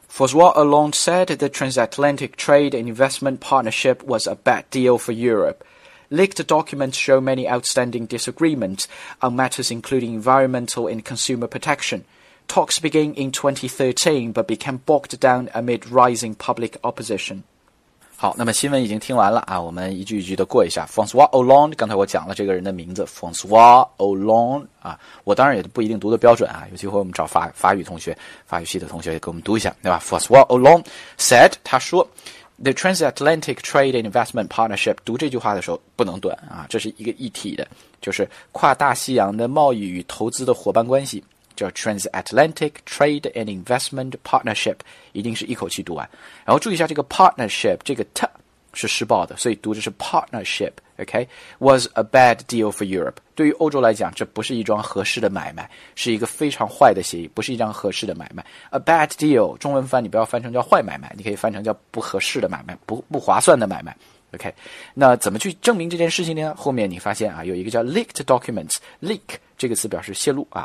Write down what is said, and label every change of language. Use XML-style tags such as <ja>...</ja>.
<en>François Hollande said the transatlantic trade and investment partnership was a bad deal for Europe. Leaked documents show many outstanding disagreements on matters including environmental and consumer protection. Talks began in 2013 but became bogged down amid rising public opposition.</en> <zh>好，那么新闻已经听完了啊，我们一句一句的过一下。François Hollande， 刚才我讲了这个人的名字 François Hollande 啊，我当然也不一定读的标准啊，有机会我们找法语同学、法语系的同学也给我们读一下，对吧 ？François Hollande said， 他说 ，The Transatlantic Trade and Investment Partnership， 读这句话的时候不能短啊，这是一个一体的，就是跨大西洋的贸易与投资的伙伴关系。叫 Transatlantic Trade and Investment Partnership， 一定是一口气读完。然后注意一下这个 partnership， 这个 t 是失爆的，所以读的是 partnership。</zh> <en>OK， was a bad deal for Europe。</en> <zh>对于欧洲来讲，这不是一桩合适的买卖，是一个非常坏的协议，不是一桩合适的买卖。 A bad deal， 中文翻你不要翻成叫坏买卖，你可以翻成叫不合适的买卖，不划算的买卖。 OK， 那怎么去证明这件事情呢？后面你发现啊，有一个叫 leaked documents， leak 这个词表示泄露啊。</zh>